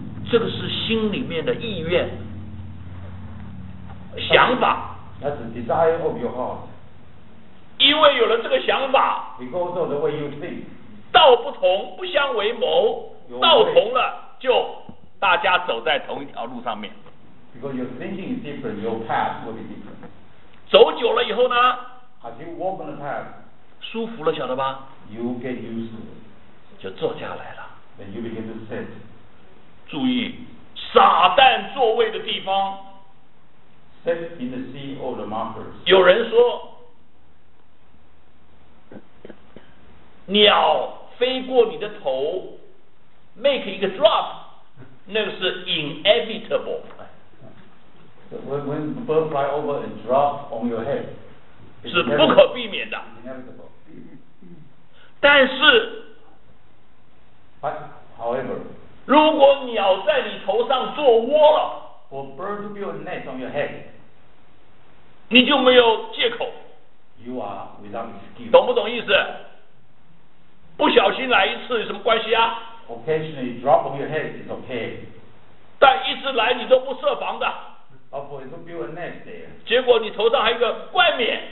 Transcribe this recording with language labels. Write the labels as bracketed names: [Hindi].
[Chinese] 这个是心里面的意愿、想法。 [English] That's the desire of your heart. [Chinese] 因为有了这个想法。 [English] Because of the way you think. [Chinese] 道不同，不相为谋。道同了，就大家走在同一条路上面。 [English] Because your thinking is different, your path will be different. [Chinese] 走久了以后呢？ [English] Have you walked on the path? [Chinese] 舒服了，晓得吧？ [English] You get used to it. [Chinese] 就坐下来了。 [English] Then you begin to sit. [Chinese] 注意，撒旦座位的地方。 [English] Sit in the seat of the mockers. [Chinese] 有人说，鸟飞过你的头 ，make 一个 drop， 那个是 inevitable。 [English] So、when bird fly over and drop on your head， [Chinese] 是不可避免的。但是。 [English] But, however, [Chinese] 如果鸟在你头上做窝了 [English] ，or bird build a nest on your head， [Chinese] 你就没有借口。 [English] You are without excuse。 [Chinese] 懂不懂意思？不小心来一次有什么关系啊 [English] ？Occasionally drop on your head is okay。 [Chinese] 但一直来你都不设防的。 [English] Of course, you build a nest there。 [Chinese] 结果你头上还有一个冠冕。